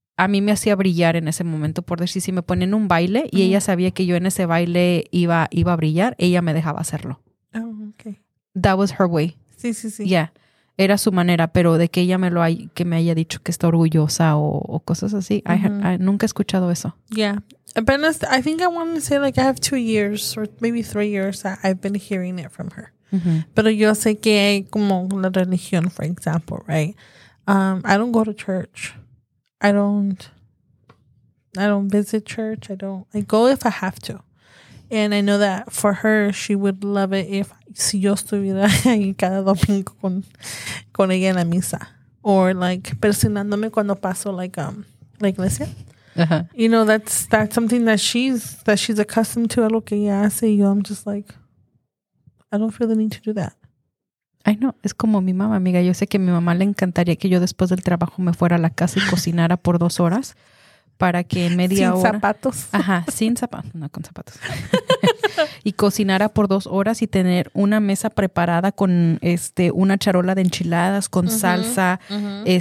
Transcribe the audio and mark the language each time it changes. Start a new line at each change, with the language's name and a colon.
Spanish: a mí me hacía brillar en ese momento, por decir, si me ponían un baile y ella sabía que yo en ese baile iba a brillar, ella me dejaba hacerlo.
English: Oh, okay. That was her way.
Spanish: Sí, sí, sí.
English: Yeah.
Spanish: Era su manera, pero de que ella me lo haya, que me haya dicho que está orgullosa o cosas así, uh-huh. I nunca he escuchado eso.
English: Yeah. But I think I want to say like I have 2 years or maybe 3 years that I've been hearing it from her. Mm-hmm.
Spanish: Pero yo sé que como la religión,
English: for example, right? I don't go to church. I don't visit church. I go if I have to. And I know that for her, she would love it if
Spanish: si yo estuviera ahí cada domingo con ella en la misa. Or like personándome cuando paso la iglesia. Uh-huh.
English: You know, that's something that she's accustomed to.
Spanish: Algo que ella hace.
English: Y yo, I'm just like, I don't feel the need to do that.
Spanish: I know. Es como mi mamá, amiga. Yo sé que a mi mamá le encantaría que yo después del trabajo me fuera a la casa y cocinara por 2 horas para que en media sin hora... Sin zapatos. Ajá, sin zapatos. No, con zapatos. Y cocinara por 2 horas y tener una mesa preparada con una charola de enchiladas, con uh-huh, salsa, uh-huh.